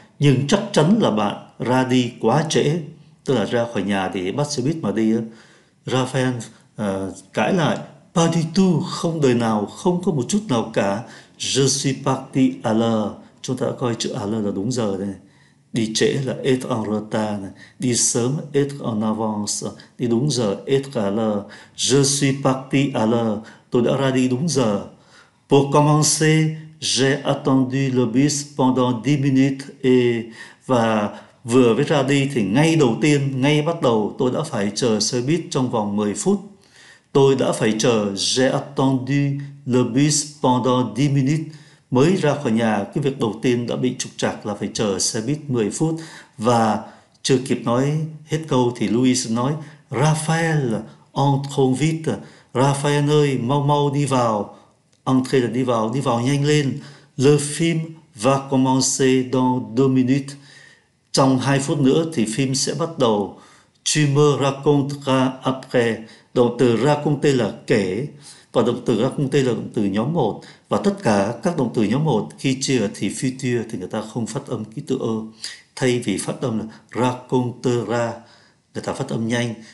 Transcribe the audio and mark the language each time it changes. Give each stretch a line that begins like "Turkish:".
Vietnamese: Nhưng chắc chắn là bạn ra đi quá trễ, tức là ra khỏi nhà thì bắt xe buýt mà đi. Raphael cãi lại,
French: pas du tout,
Vietnamese: không đời nào, không có một chút nào cả.
French: Je suis parti à l'heure.
Vietnamese: Chúng ta đã coi chữ à l'heure là đúng giờ đây. Đi trễ là
French: être en retard
Vietnamese: này. Đi sớm
French: être en avance.
Vietnamese: Đi đúng giờ
French: être à l'heure. Je suis parti à l'heure.
Vietnamese: Tôi đã ra đi đúng giờ.
French: Pour commencer, j'ai attendu le bus pendant 10 minutes et
Vietnamese: và vừa mới ra đi thì ngay đầu tiên, ngay bắt đầu tôi đã phải chờ xe buýt trong vòng 10 phút. Tôi đã phải chờ,
French: j'ai attendu le bus pendant 10 minutes.
Vietnamese: Mới ra khỏi nhà, cái việc đầu tiên đã bị trục trặc là phải chờ xe buýt 10 phút. Và chưa kịp nói hết câu thì Louis nói, Raphael,
French: entre vite.
Vietnamese: Raphael ơi, mau mau đi vào. Entrez là đi vào nhanh lên.
French: Le film va commencer dans 2 minutes.
Vietnamese: Trong 2 phút nữa thì phim sẽ bắt đầu.
French: Tu me raconteras après.
Vietnamese: Động từ raconter là kể. Và động từ raconter là động từ nhóm 1. Và tất cả các động từ nhóm 1 khi chia thì future thì người ta không phát âm ký tự ơ. Thay vì phát âm là raconteras, người ta phát âm nhanh.